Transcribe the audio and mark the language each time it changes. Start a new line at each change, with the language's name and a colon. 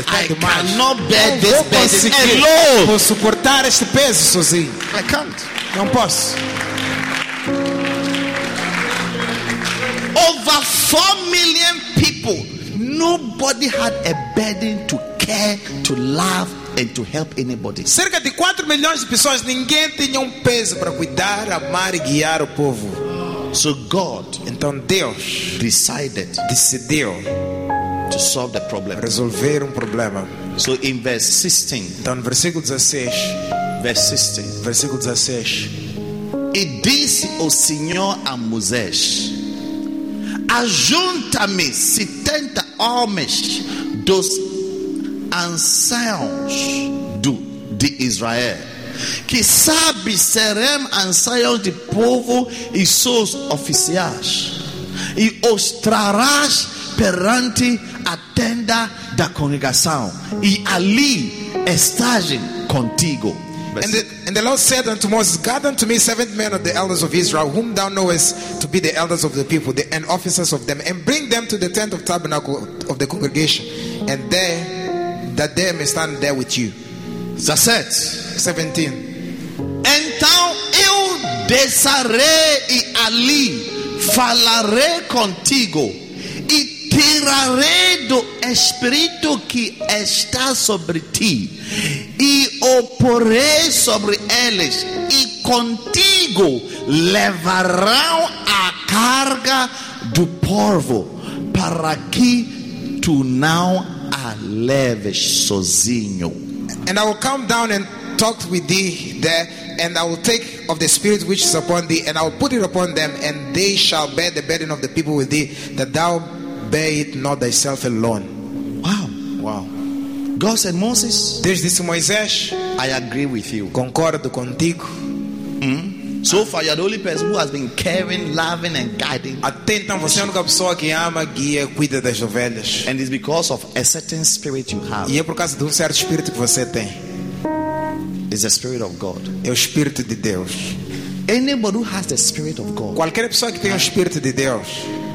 English: I cannot bear this burden alone.
Portuguese: Vou suportar este peso sozinho.
English: I can't.
Portuguese: Não posso.
English: Over 4 million people, nobody had a burden to care, to love, and to help anybody.
Portuguese: Cerca de 4 milhões de pessoas, ninguém tinha peso para cuidar, amar e guiar o povo.
English: So God,
Portuguese: então Deus,
English: decided,
Portuguese: decidiu
English: to solve the problem.
Portuguese: Resolver problema.
English: So in verse 16,
Portuguese: então no versículo 16,
English: verse 16,
Portuguese: versículo 16. E disse o Senhor a Moisés: Ajunta-me 70 homens dos anciãos de Israel, que sabe serem anciãos de povo e seus oficiais, e os trarás perante a tenda da congregação, e ali estarem contigo.
English: And the Lord said unto Moses, gather unto me 70 men of the elders of Israel, whom thou knowest to be the elders of the people, the, and officers of them, and bring them to the tent of tabernacle of the congregation, and there, that they may stand there with you. Zasset 17.
Portuguese: Então eu desarei e ali falarei contigo, e tirarei do espírito que está sobre ti, e oporei sobre eles, e contigo levarão a carga do povo, para que tu não a leves sozinho.
English: And I will come down and talk with thee there, and I will take of the spirit which is upon thee, and I will put it upon them, and they shall bear the burden of the people with thee, that thou bear it not thyself alone. Wow. Wow. God said, Moses,
Portuguese: Deus disse, Moisés,
English: I agree with you.
Portuguese: Concordo contigo. Mm-hmm.
English: So far, you are the only person who has been caring, loving, and guiding.
Portuguese: Até então, você é a única pessoa que ama, guia, cuida das ovelhas.
English: And it's because of a certain spirit you have.
Portuguese: E é por causa de certo espírito que você tem.
English: It's the spirit of God.
Portuguese: É o espírito de Deus.
English: Anybody who has the spirit of God.
Portuguese: Qualquer pessoa que tem o espírito de Deus,